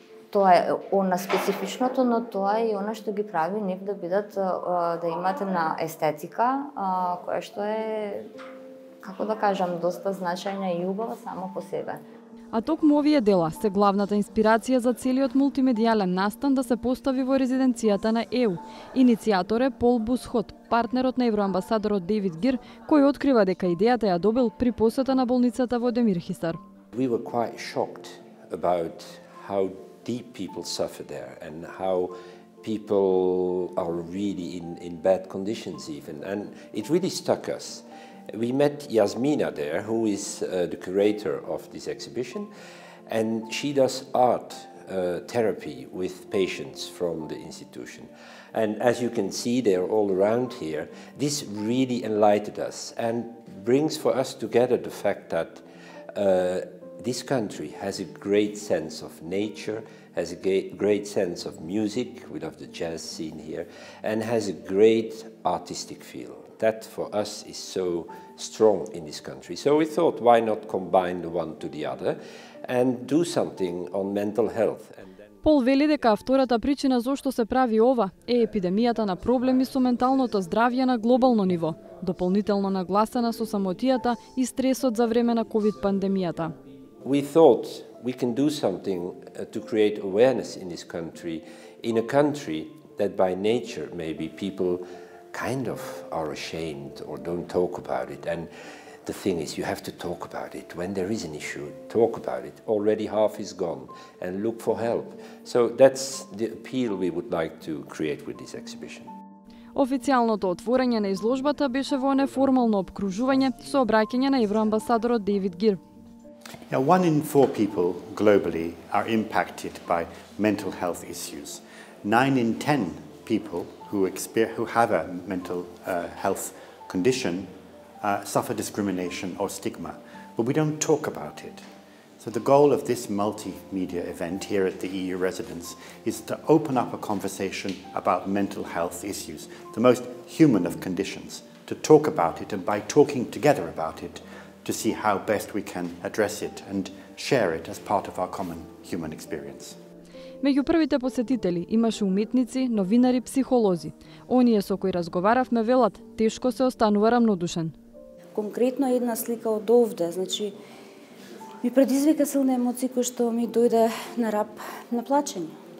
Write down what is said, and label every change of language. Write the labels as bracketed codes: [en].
[mk] Тоа е она специфичното, но тоа е и она што ги прави нив да бидат, да имат една естетика, која што е, како да кажам, доста значајна и убава само по себе. А токму овие дела се главната инспирација за целиот мултимедијален настан да се постави во резиденцијата на ЕУ. Иницијатор е Пол Бусхот, партнерот на евроамбасадорот Дејвид Гир, кој открива дека идејата ја добил при посета на болницата во Демирхисар. [en] We were quite shocked about how deep people suffer there and how people are really in bad conditions even, and it really struck us. We met Yasmina there, who is the curator of this exhibition, and she does art therapy with patients from the institution. And as you can see, they're all around here. This really enlightened us and brings for us together the fact that this country has a great sense of nature, has a great sense of music, we love the jazz scene here, and has a great artistic feel. That for us is so strong in this country. So we thought, why not combine the one to the other and do something on mental health? [mk] Пол вели дека втората причина зошто се прави ова е епидемијата на проблеми со менталното здравје на глобално ниво, дополнително нагласена со самотијата и стресот за време на COVID пандемијата. [en] We thought we can do something to create awareness in this country, in a country that by nature maybe people kind of are ashamed or don't talk about it. And the thing is, you have to talk about it. When there is an issue, talk about it. Already half is gone and look for help. So that's the appeal we would like to create with this exhibition. [mk] Официјалното отворање на изложбата беше во неформално обкружување со обраќање на евроамбасадорот Дејвид Гир. [en] Now, one in four people globally are impacted by mental health issues. 9 in 10 people who have a mental health condition suffer discrimination or stigma, but we don't talk about it. So the goal of this multimedia event here at the EU residence is to open up a conversation about mental health issues, the most human of conditions, to talk about it and by talking together about it to see how best we can address it and share it as part of our common human experience. [mk] Меѓу првите посетители имаше уметници, новинари, психолози. Оние со кои разговаравме велат, тешко се останува рамнодушен. Конкретно една слика од овде, значи, ми предизвика силна емоција кој што ми дојде на раб на плачење.